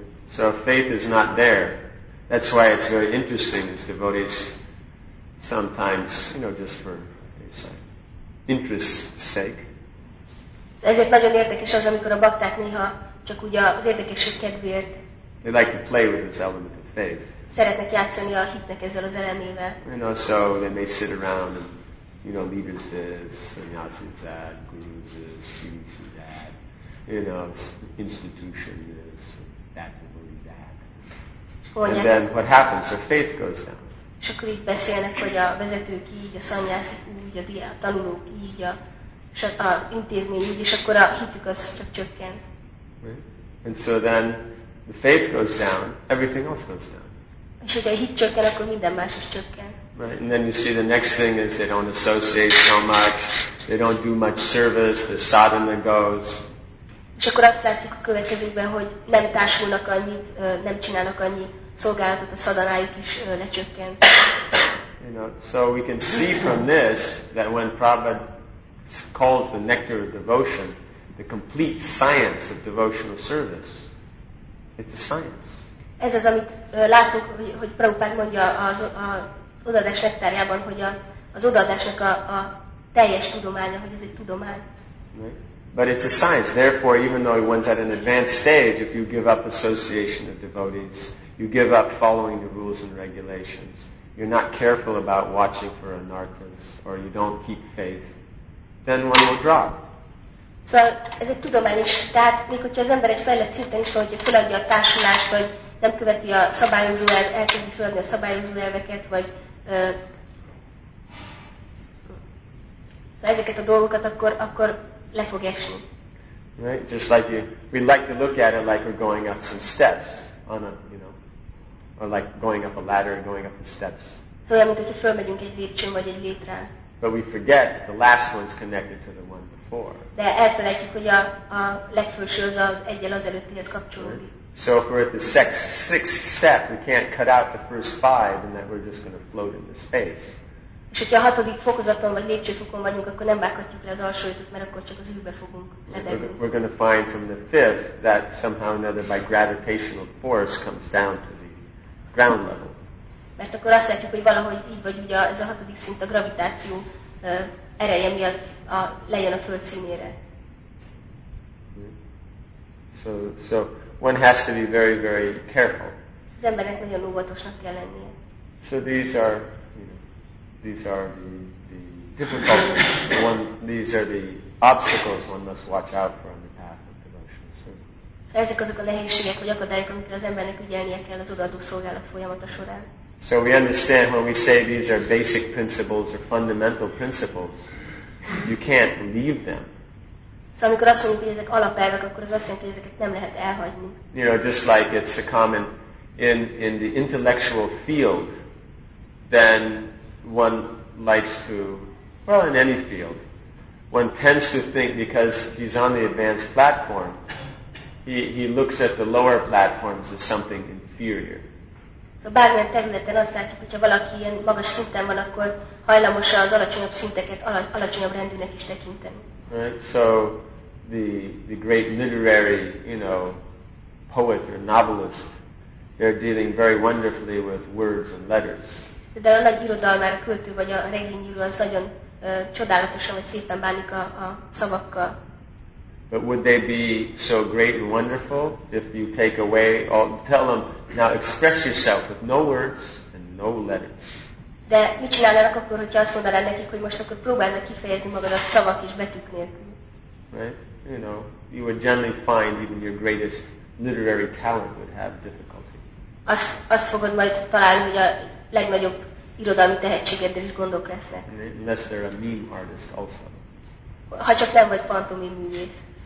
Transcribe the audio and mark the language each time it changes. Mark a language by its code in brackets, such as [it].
[en] So faith is not there. That's why it's very interesting as devotees sometimes, you know, just for interest's sake. [hu] Ezért nagyon érdekes az, amikor a bakták néha csak úgy az érdekesség kedvéért. [en] They like to play with this element of faith. [hu] Szeretnek játszani a hitnek ezzel az elemével. [en] You know, so they may sit around and, you know, leaders this, sannyasis that, gurus this, students that, you know, institution this, that, devotee that. And then what happens? Their faith goes down. [hu] És akkor így beszélnek, hogy a vezetők így, a szanyászik úgy, a tanulók így, és a intézmény így, és akkor a hitük az csak csökken. [en] Right. And so then the faith goes down, everything else goes down. [hu] És hogyha a hit csökken, akkor minden más is csökken. [en] Right. And then you see the next thing is they don't associate so much, they don't do much service, the sadhana goes. [hu] És akkor azt látjuk a következőkben, hogy nem társulnak annyit, nem csinálnak annyi szolgálatot, a szadanájuk is lecsökkent. [en] You know, so we can see from this that when Prabhupada calls the nectar of devotion the complete science of devotional service, it's a science. [hu] Ez az, amit látunk, hogy Prabhupada mondja az odaadás nektárjában, hogy az odaadásnak a teljes tudománya, hogy ez egy tudomány. [en] But it's a science. Therefore, even though one's at an advanced stage, if you give up association of devotees, you give up following the rules and regulations, you're not careful about watching for anarthas, or you don't keep faith, then one will drop. [hu] So, ez egy tudomány is. Tehát, még hogyha az ember egy fejlett szinten is van, hogyha feladja a társulást, vagy nem követi a szabályozó elveket, elkezdi feladni a szabályozó elveket, vagy ezeket a dolgokat, akkor le fog esni. [en] Right? Just like you, we'd like to look at it like we're going up some steps on a, you know, or like going up a ladder and going up the steps. [hu] Szóval, mint hogyha fölmegyünk egy lépcsőn vagy egy létrán. [en] But we forget that the last one is connected to the one before. [hu] De elfelejtjük, hogy a legfőső az egyel az előttihez kapcsolódik. [en] So if we're at the sixth step, we can't cut out the first five, and that we're just going to float into space. [hu] És hogyha a hatodik fokozaton vagy lépcsőfokon vagyunk, akkor nem vághatjuk le az alsó ötöt, mert akkor csak az űrbe fogunk lebegni. [en] We're going to find from the fifth that somehow or another by gravitational force comes down to the ground level. [hu] Mert akkor azt látjuk, hogy valahogy így vagy ugye ez a hatodik szint a gravitáció ereje miatt lejön a föld színére. [en] So one has to be very, very careful. [hu] Az embernek nagyon óvatosnak kell lennie. [en] So these are the difficulties. These are the obstacles one must watch out for on the path of devotional service. [hu] Ezek azok a nehézségek, vagy akadályok, amikre az embernek ügyelnie kell az odaadó szolgálat folyamata során. [en] So we understand when we say these are basic principles or fundamental principles, you can't leave them. [hu] So amikor azt mondjuk, hogy ezek alapelvek, akkor az azt jelenti, hogy ezeket nem lehet elhagyni. [en] You know, just like it's a common in the intellectual field, then one likes to, well, in any field, one tends to think because he's on the advanced platform, he looks at the lower platforms as something inferior. [hu] So bármilyen területen azt látjuk, hogyha valaki ilyen magas szinten van, akkor hajlamosa az alacsonyabb szinteket alacsonyabb rendűnek is tekinteni. [en] Right? So the great literary, you know, poet or novelist, they're dealing very wonderfully with words and letters. [hu] De a nagy irodalmár, a költő vagy a regényíró az nagyon csodálatosan vagy szépen bánik a szavakkal. [en] But would they be so great and wonderful if you take away all, tell them, now express yourself with no words and no letters. [hu] De mit csinálnának akkor, hogyha azt mondanád nekik, hogy most akkor próbáld meg kifejezni magadat szavak és betűk nélkül. [en] Right? You know, you would generally find even your greatest literary talent would have difficulty. [hu] Azt fogod majd találni, hogy a legnagyobb irodalmi tehetségeddel is gondok lesznek. [en] Unless they're a meme artist also. [hu] Ha csak nem vagy pantomim művész.